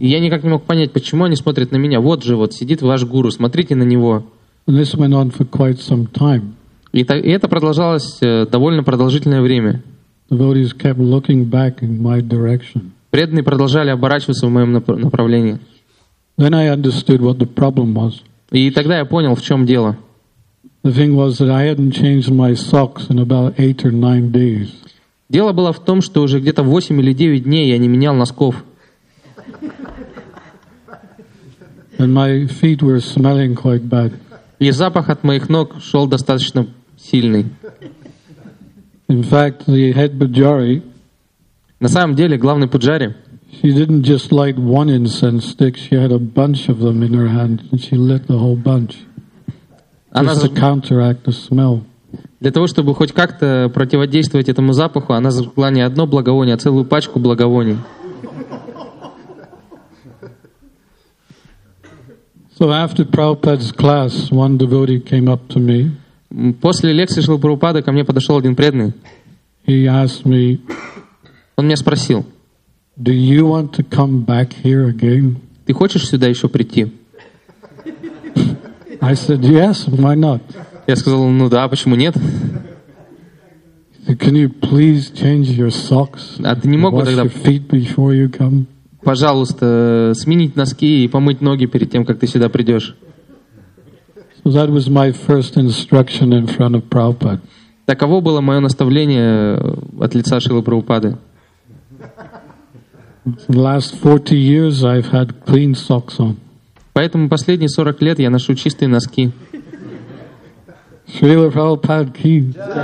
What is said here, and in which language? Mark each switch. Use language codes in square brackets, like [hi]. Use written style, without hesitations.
[ru] Я никак не мог понять, почему они смотрят на меня. Вот же, вот сидит ваш гуру, смотрите на него. [en] And this went on for quite some time. [ru] И это продолжалось довольно продолжительное время. [en] Devotees kept looking back in my direction. [ru] Преданные продолжали оборачиваться в моем направлении. [en] Then I understood what the problem was. [ru] И тогда я понял, в чем дело. [en] The thing was that I hadn't changed my socks in about 8 or 9 days. [ru] Дело было в том, что уже где-то 8 или 9 дней я не менял носков. [en] And my feet were smelling quite bad. [ru] И запах от моих ног шел достаточно сильный. [en] In fact, the head pujari. [ru] На самом деле, главный пуджари. [en] She didn't just light one incense stick. She had a bunch of them in her hand, and she lit the whole bunch. Just to counteract the smell. [ru] Для того, чтобы хоть как-то противодействовать этому запаху, она зажгла не одно благовоние, а целую пачку благовоний. [en] So after Prabhupada's class, one devotee came up to me. [ru] После лекции Шрилы Прабхупады ко мне подошел один преданный. [en] He asked me. [ru] Он меня спросил. [en] Do you want to come back here again? [ru] Ты хочешь сюда еще прийти? [en] I said yes. Why not? [ru] Я сказал, ну да, почему нет? [en] Can you please change your socks? [ru] А ты не мог бы тогда? [en] Wash your feet before you come. [ru] Пожалуйста, сменить носки и помыть ноги перед тем, как ты сюда придешь. [en] So that was my first instruction in front of Prabhupada. [ru] Таково было мое наставление от лица Шрилы Прабхупады. [en] For the last 40 years, I've had clean socks on. [ru] Поэтому последние 40 лет я ношу чистые носки. Шрила Прабхупад ки.